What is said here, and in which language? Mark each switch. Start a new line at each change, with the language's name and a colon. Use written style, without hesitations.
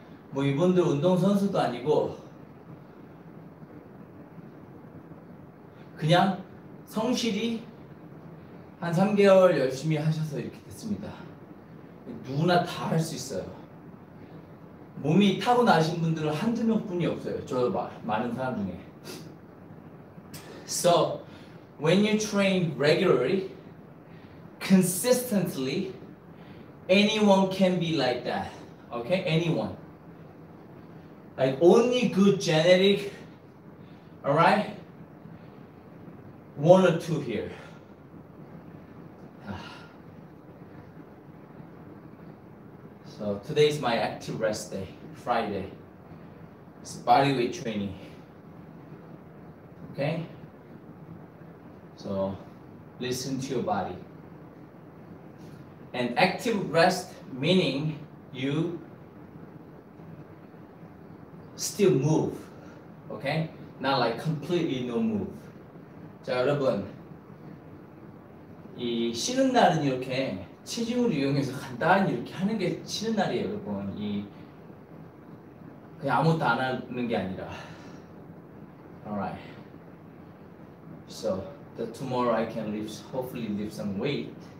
Korean: 뭐 이분들 운동선수도 아니고 그냥 성실히 한 3개월 열심히 하셔서 이렇게 됐습니다. 누구나 다 할 수 있어요. 몸이 타고나신 분들은 한두 명뿐이 없어요. 저도 많은 사람 중에.
English: So when you train regularly, consistently, anyone can be like that, okay? Anyone. Like only good genetic, all right? One or two here. So today is my active rest day, Friday. It's bodyweight training, okay? So listen to your body. And active rest meaning you still move, okay? Not like completely no move.
Korean: 자, 여러분, 이 쉬는 날은 이렇게 체중을 이용해서 간단히 이렇게 하는 게 쉬는 날이에요, 여러분. 이 그냥 아무것도 안 하는 게 아니라.
English: Alright. So the tomorrow I can lift, hopefully lift some weight.